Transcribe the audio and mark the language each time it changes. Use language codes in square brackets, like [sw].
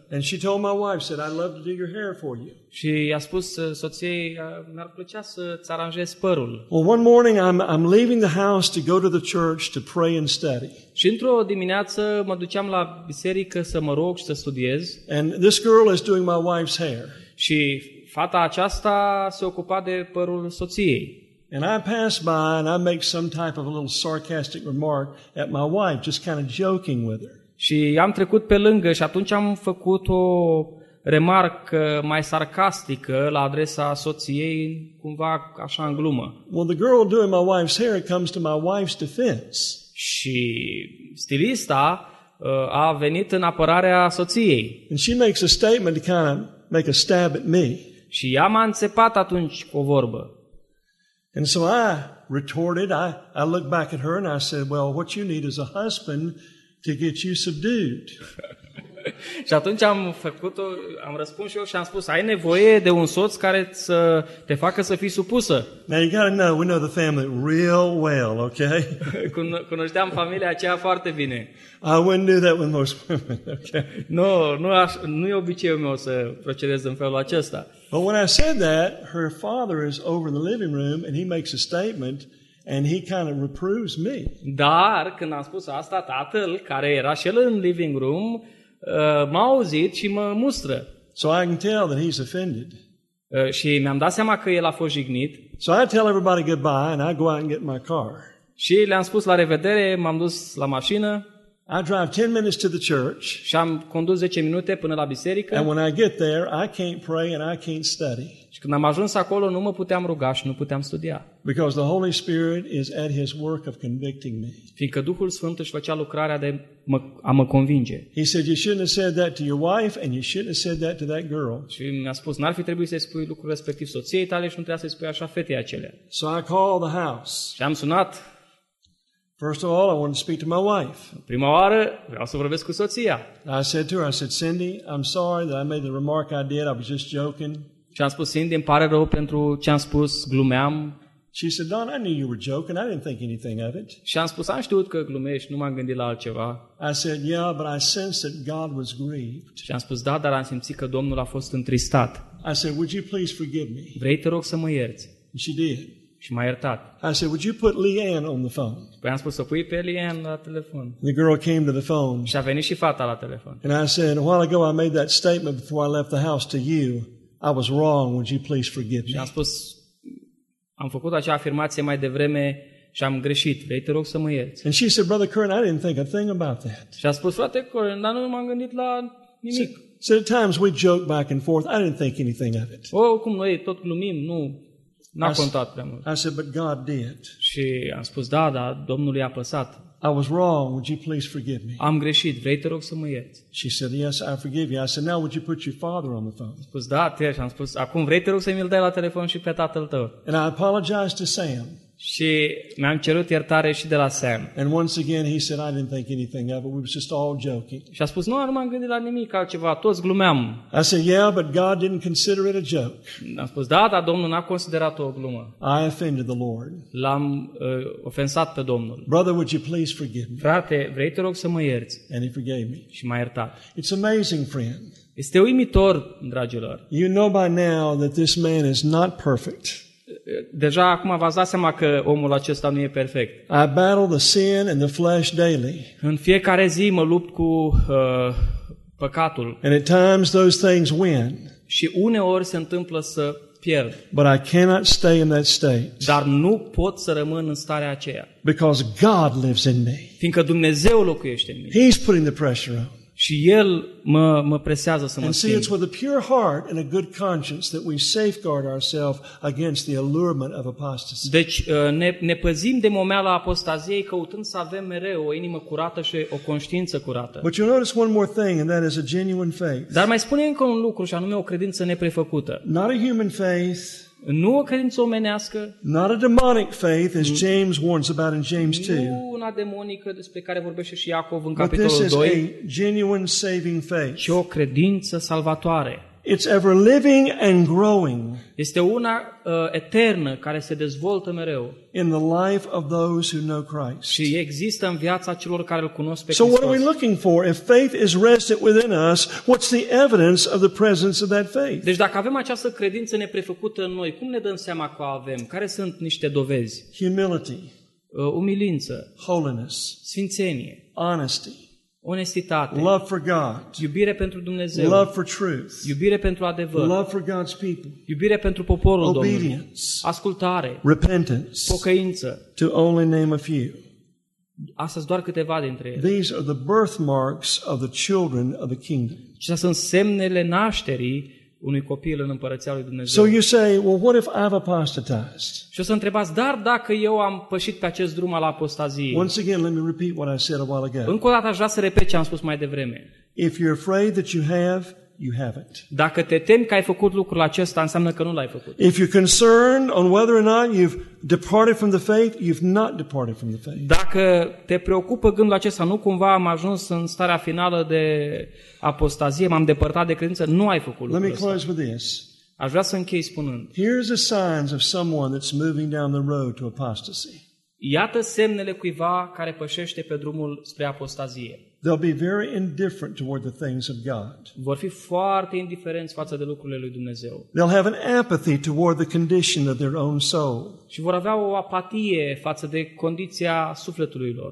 [en] And she told my wife, said, I'd love to do your hair for you. [ro] Și i-a spus soției, mi-ar plăcea să ți aranjez părul. [en] Well, one morning I'm leaving the house to go to the church to pray and study. [ro] Și într-o dimineață mă duceam la biserică să mă rog și să studiez. [en] And this girl is doing my wife's hair. [ro] Și fata aceasta se ocupa de părul soției. [en] And I pass by and I make some type of a little sarcastic remark at my wife, just kind of joking with her. [ro] Și am trecut pe lângă și atunci am făcut o remarcă mai sarcastică la adresa soției, cumva așa în glumă. [en] Well, the girl doing my wife's hair comes to my wife's defense. [ro] Și stilista a venit în apărarea soției. [en] And she makes a statement to kind of make a stab at me. [ro] Și ea m-a înțepat atunci cu o vorbă. [en] And so I retorted, I looked back at her and I said, well, what you need is a husband to get you subdued. [ro] Și atunci am răspuns eu și am spus, ai nevoie de un soț care să te facă să fii supusă. [en] Now you gotta know, we know the family real well, okay? [ro] Cunoșteam familia aceea foarte bine. [en] I wouldn't do that with most women, okay? [ro] Nu e obiceiul meu să procedez în felul acesta. [en] But when I said that, her father is over in the living room and he makes a statement and he kind of reproves me. [ro] Dar când am spus asta, tatăl, care era și el în living room, m-a auzit și mă mustră. [en] So I can tell that he's offended. [ro] Și mi-am dat seama că el a fost jignit. [en] So I tell everybody goodbye and I go out and get my car. [ro] Și le-am spus la revedere, m-am dus la mașină. [en] I drive 10 minutes to the church. [ro] Și am condus 10 minute până la biserică. [en] And when I get there, I can't pray and I can't study. [ro] Și când am ajuns acolo, nu mă puteam ruga și nu puteam studia. [en] Because the Holy Spirit is at his work of convicting me. [ro] Fiindcă Duhul Sfânt își făcea lucrarea de a mă convinge. [en] He said, you shouldn't have said that to your wife and you shouldn't have said that to that girl. [ro] Și mi-a spus, n-ar fi trebuit să-i spui lucrul respectiv soției tale și nu trebuia să-i spui așa fetei acelea. [en] So I called the house. [ro] Și am sunat. [en] First of all, I want to speak to my wife. [ro] Prima oară, vreau să vorbesc cu soția. [en] I said to her, I said, Cindy, I'm sorry that I made the remark I did. I was just joking. [ro] Și am spus, Cindy, îmi pare rău pentru ce am spus, glumeam. [en] She said, Don, I knew you were joking. I didn't think anything of it. [ro] Și am spus, am știut că glumești, nu m-am gândit la altceva. [en] I said, yeah, but I sensed that God was grieved. [ro] Și am spus, da, dar am simțit că Domnul a fost întristat. [en] I said, would you please forgive me? [ro] Vrei, te rog să mă ierți. [en] And she did. [ro] Și m-a iertat. [en] I said, would you put Leanne on the phone? [ro] Păi am spus să pui pe Leanne la telefon. [en] The girl came to the phone. [ro] Și a venit și fata la telefon. [en] And I said, a while ago I made that statement before I left the house to you. I was wrong. Would you please forgive me? [ro] Și am spus, am făcut acea afirmație mai devreme și am greșit. Vrei, te rog să mă ierți. [en] And she said, brother Curran, I didn't think a thing about that. [ro] Și a spus, frate Curran, dar nu m-am gândit la nimic. [en] So at times we joke back and forth. I didn't think anything of it. [ro] Oh, cum noi tot glumim, nu. N-a contat prea mult. [en] I said, but God did. [ro] Și am spus, da, da, Domnul i-a apăsat. [en] I was wrong. Would you please forgive me? [ro] Am greșit. Vrei, te rog să mă ierți. [en] She said, yes, I forgive you. I said, now would you put your father on the phone? [ro] Spus, da, te rog. Am spus, acum vrei, te rog să mi-l dai la telefon și pe tatăl tău. [en] And I apologized to Sam. [ro] Și mi-am cerut iertare și de la Sam. [en] And once again, he said, I didn't think anything of it. We were just all joking. [ro] Și a spus, nu, nu m-am gândit la nimic altceva. Toți glumeam. [en] I said, yeah, but God didn't consider it a joke. [ro] Am spus, da, dar Domnul n-a considerat-o o glumă. [en] I offended the Lord. [ro] L-am ofensat pe Domnul. [en] Brother, would you please forgive me? [ro] Frate, vrei, te rog să mă ierți. [en] And he forgave me. [ro] Și m-a iertat. [en] It's amazing, friend. [ro] Este uimitor, dragilor. [en] You know by now that this man is not perfect. [ro] Deja acum v-ați dat seama că omul acesta nu e perfect. [en] I battle the sin and the flesh daily. [ro] În fiecare zi mă lupt cu păcatul. [en] And at times those things win. [ro] Și uneori se întâmplă să pierd. [en] But I cannot stay in that state. [ro] Dar nu pot să rămân în starea aceea. [en] Because God lives in me. [ro] Fiindcă Dumnezeu locuiește în mine. [en] He's putting the pressure on. [ro] Și el mă presează să mă schimb. [en] And see, it's with a pure heart and a good conscience that we safeguard ourselves against the allurement of apostasy. [ro] Deci ne păzim de momeala apostaziei căutând să avem mereu o inimă curată și o conștiință curată. [en] But you'll notice one more thing, and that is a genuine faith. [ro] Dar mai spune încă un lucru, și anume o credință neprefăcută. [en] Not a human faith. [ro] Nu o credință omenească. [en] Not a demonic faith, as James warns about in James 2. [ro] Nu una demonică despre care vorbește și Iacov în capitolul 2. [en] But this is a genuine saving faith. [ro] Și o credință salvatoare. [en] It's ever living and growing. [ro] Este una eternă care se dezvoltă mereu. [en] In the life of those who know Christ. [ro] Și există în viața celor care îl cunosc pe [en] Hristos. So what are we looking for? If faith is resident within us, what's the evidence of the presence of that faith? [ro] Deci dacă avem această credință neprefăcută în noi, cum ne dăm seama că o avem? Care sunt niște dovezi? [en] Humility. [ro] Umilință. [en] Holiness. [ro] Sfințenie. [en] Honesty. [ro] Onestitate, [en] love for God, [ro] iubire pentru Dumnezeu, [en] love for truth, [ro] iubire pentru adevăr, [en] love for God's people, [ro] iubire pentru poporul Domnului, ascultare, [en] repentance, [ro] pocăință, [en] to only name a few. [ro] Astea sunt doar câteva dintre ele. [en] These are the birthmarks of the children of the kingdom. [ro] Acestea sunt semnele nașterii unui copil în împărăția lui Dumnezeu. [en] So you say, well, what if I've apostatized? [ro] Și o să întrebați, dar dacă eu am pășit pe acest drum al apostaziei? [en] Once again, let me repeat what I said a while ago. [ro] Încă o dată aș vrea să repet ce am spus mai devreme. [en] If you're afraid that you have, you haven't. [ro] Dacă te temi că ai făcut lucrul acesta, înseamnă că nu l-ai făcut. [en] If you're concerned on whether or not you've departed from the faith, you've not departed from the faith. [ro] Dacă te preocupă gândul acesta, nu cumva am ajuns în starea finală de apostazie, m-am depărtat de credință, nu ai făcut lucrul ăsta. [en] Let me close with this. [ro] Aș vrea să închei spunând. [en] Here's the signs of someone that's moving down the road to apostasy. [ro] Iată semnele cuiva care pășește pe drumul spre apostazie. [en] They'll be very indifferent toward the things of God. [ro] Vor fi foarte indiferenți față de lucrurile lui Dumnezeu. [en] They'll have an apathy toward the condition of their own soul. [ro] Și vor avea o apatie față de condiția sufletului lor.